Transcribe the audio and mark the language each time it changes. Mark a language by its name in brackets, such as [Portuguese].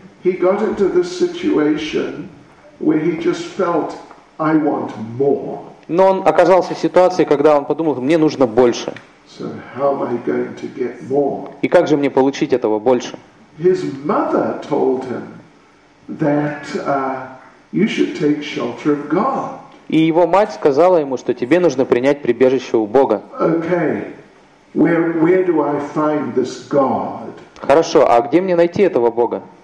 [English] He got into this situation where he just felt, I want more. [Russian] Но он оказался в ситуации, когда он подумал, мне нужно больше. [English] So how am I going to get more? [Russian] И как же мне получить этого больше? [English] His mother told him that you should take shelter of God. [Russian] И его мать сказала ему, что тебе нужно принять прибежище у Бога. [English] Okay. Where do I find this God? [Russian] Хорошо, а где мне найти этого Бога?